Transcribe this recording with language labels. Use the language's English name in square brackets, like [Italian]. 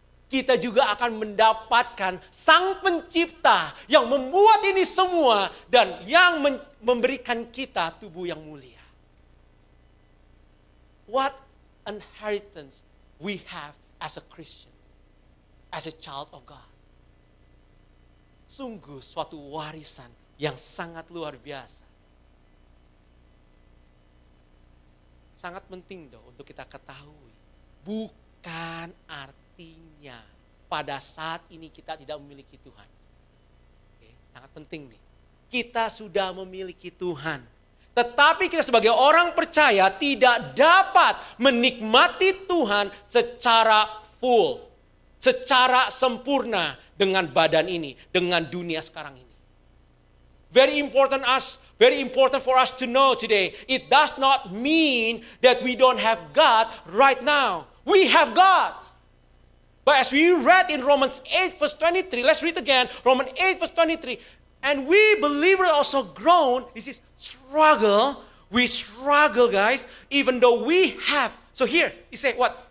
[Indonesian] Kita juga akan mendapatkan sang pencipta yang membuat ini semua dan yang memberikan kita tubuh yang mulia. [English] What inheritance we have as a Christian, as a child of God. [Indonesian] Sungguh suatu warisan yang sangat luar biasa. Sangat penting dong untuk kita ketahui. Bukan artinya pada saat ini kita tidak memiliki Tuhan. Oke, sangat penting nih. Kita sudah memiliki Tuhan. Tetapi kita sebagai orang percaya tidak dapat menikmati Tuhan secara full, secara sempurna dengan badan ini, dengan dunia sekarang ini. [English] Very important for us to know today, it does not mean that we don't have God right now. We have God. But as we read in Romans 8 verse 23, let's read again, Romans 8 verse 23, and we believers also groan, this is struggle, we struggle guys, even though we have, so here, he say what?